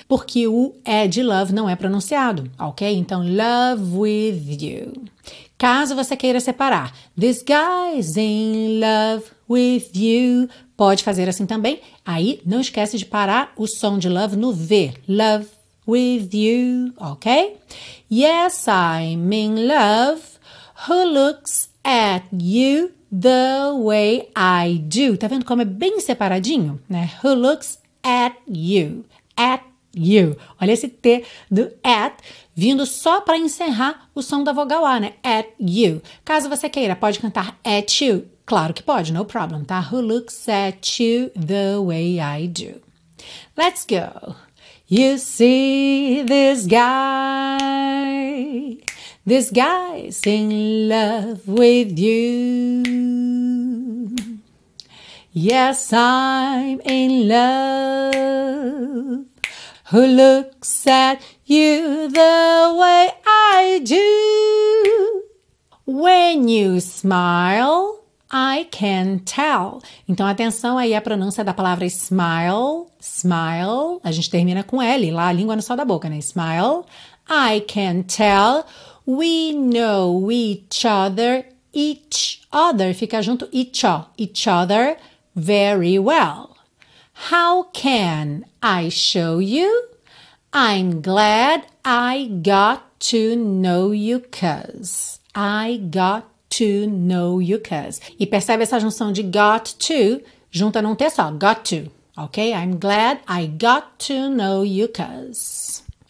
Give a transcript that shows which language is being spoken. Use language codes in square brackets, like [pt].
[pt] Porque o E de love não é pronunciado, ok? Então, [en] love with you. [pt] Caso você queira separar. [en] This guy's in love with you. [pt] Pode fazer assim também. Aí, não esquece de parar o som de love no V. [en] Love with you, ok? Yes, I'm in love. Who looks at you the way I do? [pt] Tá vendo como é bem separadinho, né? [en] Who looks at you? At you. [pt] Olha esse T do at vindo só para encerrar o som da vogal A, né? [en] At you. [pt] Caso você queira, pode cantar [en] at you. [pt] Claro que pode, [en] no problem, [pt] tá? [en] Who looks at you the way I do? Let's go. You see this guy. This guy's in love with you. Yes, I'm in love. Who looks at you the way I do? When you smile, I can tell. [pt] Então, atenção aí à pronúncia da palavra smile. Smile. A gente termina com L, lá a língua no sol da boca, né? [en] Smile. I can tell. We know each other. Each other. [pt] Fica junto. [en] Each other. Very well. How can I show you? I'm glad I got to know you 'cause. I got to know you 'cause. [pt] E percebe essa junção de got to, junta num T só, got to, ok? [en] I'm glad I got to know you 'cause.